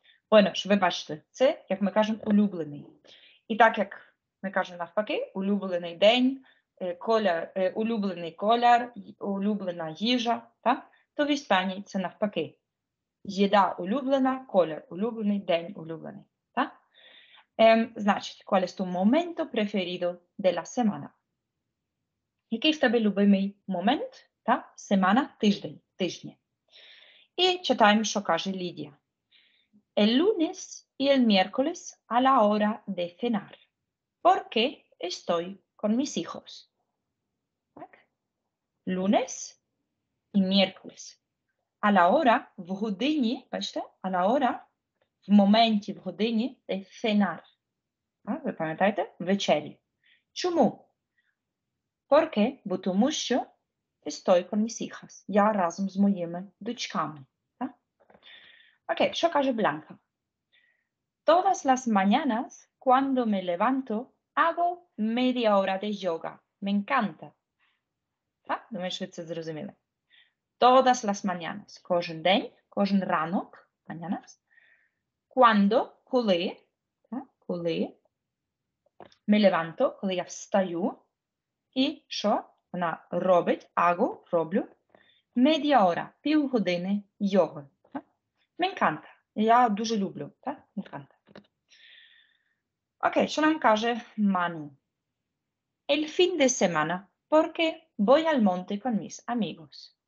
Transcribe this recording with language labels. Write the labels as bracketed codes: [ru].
[uk] Bueno, що ви бачите, це, як ми кажемо, улюблений. І так, як ми кажемо навпаки, улюблений день, колір, улюблений колір, улюблена їжа, так? То в останній це навпаки. Їда улюблена, колір улюблений, день улюблений. Так? [es] Значить, qual è il tuo momento preferito della settimana? [uk] Який в тебе любимий момент? Так? Семана, тиждень, тижня. І читаємо, що каже Лідія. [es] El lunes y el miércoles a la hora de cenar. Porque estoy con mis hijos. [uk] Так? [es] Lunes y miércoles. A la hora, [uk] в годині, бачите? [es] A la hora, [uk] в моменті, в годині, [es] de cenar. Так? Ви пам'ятаєте? Вечері. Чому? Porque, [uk] бо тому що, [es] estoy con mis hijas. [uk] Я разом з моїми дочками. Ok, що каже Blanca? [es] Todas las mañanas, cuando me levanto, hago media hora de yoga. Me encanta. [uk] Та? Думаю, що це зрозуміло. [es] Todas las mañanas, [uk] кожен день, кожен ранок, [es] mañanas, cuando, [uk] коли, та? Коли, [es] me levanto, [uk] коли я встаю, і що вона робить, hago, роблю, [es] media hora, [uk] півгодини йоги. [es] Me encanta. [uk] Я дуже люблю. Так? Me encanta. Ok, що нам каже Manu? [es] El fin de semana, porque voy al monte con mis amigos.